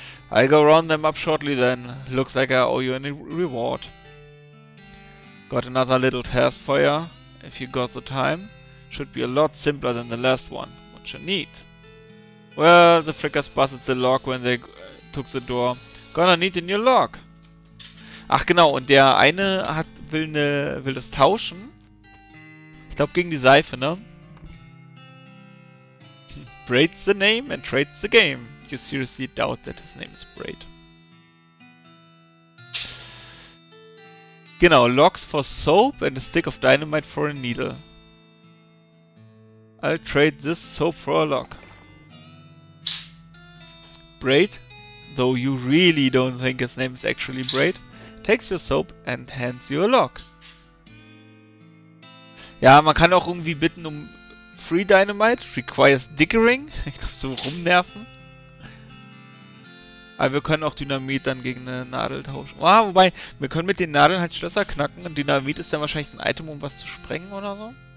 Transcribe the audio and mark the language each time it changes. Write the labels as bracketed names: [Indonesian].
[English] I'll go round them up shortly then. Looks like I owe you any reward. Got another little task for ya, if you got the time. Should be a lot simpler than the last one. What you need? Well, the Frickers busted the lock when they took the door. Gonna need a new lock. [German] Ach genau, und der eine hat will das tauschen. Ich glaube gegen die Seife, ne? [English] Braid's the name and trade's the game. You seriously doubt that his name is Braid. Genau, locks for soap and a stick of dynamite for a needle. I'll trade this soap for a lock. Braid, though you really don't think his name is actually Braid, takes your soap and hands you a lock. [German] Ja, man kann auch irgendwie bitten um [English] free dynamite, requires dickering. [German] Ich glaube, so rumnerven. Aber wir können auch Dynamit dann gegen eine Nadel tauschen. Ah, wobei, wir können mit den Nadeln halt Schlösser knacken und Dynamit ist dann wahrscheinlich ein Item, um was zu sprengen oder so.